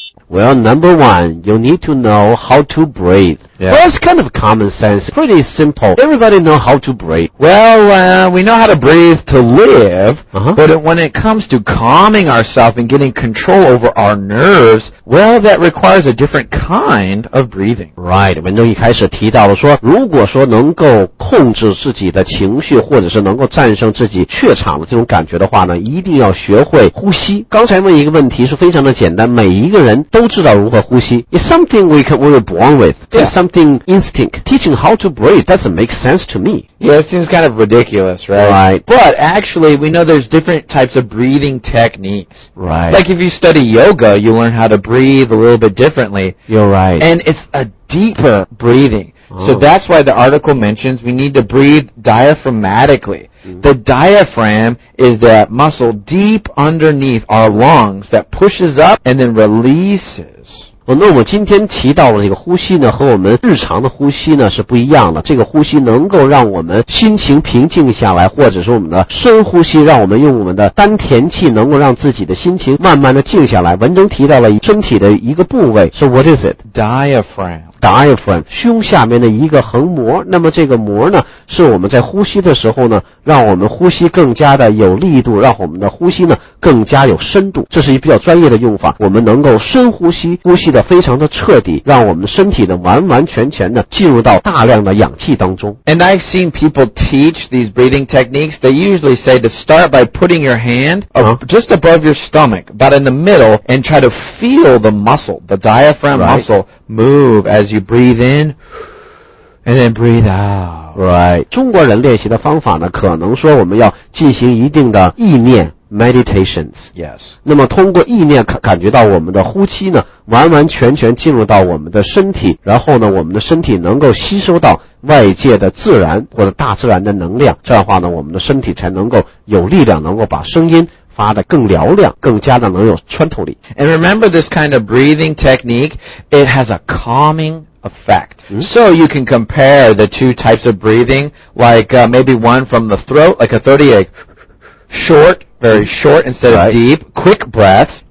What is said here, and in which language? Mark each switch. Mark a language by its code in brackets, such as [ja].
[en] Well, number one, you need to know how to breathe. Yeah. Well, it's kind of common sense, pretty simple. Everybody know how to breathe. Well, we know how to breathe to live, uh-huh. But when it comes to calming ourselves and getting control over our nerves, well, that requires a different kind of breathing. Right. [zh] 文中一开始提到了说，如果说能够控制自己的情绪，或者是能够战胜自己怯场的这种感觉的话呢，一定要学会呼吸。刚才问一个问题是非常的简单，每一个人都知道如何呼吸。 [en] It's something we were born with. Yeah. Something instinct. Teaching how to breathe doesn't make sense to me. Yeah, it seems kind of ridiculous, right? Right. But actually, we know there's different types of breathing techniques. Right. Like if you study yoga, you learn how to breathe a little bit differently. You're right. And it's a deeper breathing. Oh. So that's why the article mentions we need to breathe diaphragmatically. Mm-hmm. The diaphragm is that muscle deep underneath our lungs that pushes up and then releases. [zh] 那我们今天提到的这个呼吸呢和我们日常的呼吸呢是不一样的。这个呼吸能够让我们心情平静下来，或者是我们的深呼吸，让我们用我们的丹田气能够让自己的心情慢慢的静下来。文中提到了身体的一个部位。 [en] So what is it? Diaphragm. [zh] Diaphragm, 胸下面的一个横膜，那么这个膜呢，是我们在呼吸的时候呢，让我们呼吸更加的有力度，让我们的呼吸呢，更加有深度。这是一比较专业的用法，我们能够深呼吸，呼吸的非常的彻底，让我们身体呢，完完全全的进入到大量的氧气当中。 [en] And I've seen people teach these breathing techniques, they usually say to start by putting your hand just above your stomach, but in the middle, and try to feel the muscle, the diaphragm muscle, move as you breathe in and then breathe out. Right. [zh] 中国人练习的方法呢，可能说我们要进行一定的意念 meditations. [en] Yes. [zh] 那么通过意念感觉到我们的呼吸呢，完完全全进入到我们的身体，然后呢，我们的身体能够吸收到外界的自然或者大自然的能量，这样的话呢，我们的身体才能够有力量，能够把声音发得更嘹亮，更加的能有穿透力。 [en] And remember this kind of breathing technique, it has a calming effect. Mm-hmm. So you can compare the two types of breathing, like maybe one from the throat, like a 38, short, very short instead of deep, quick breaths.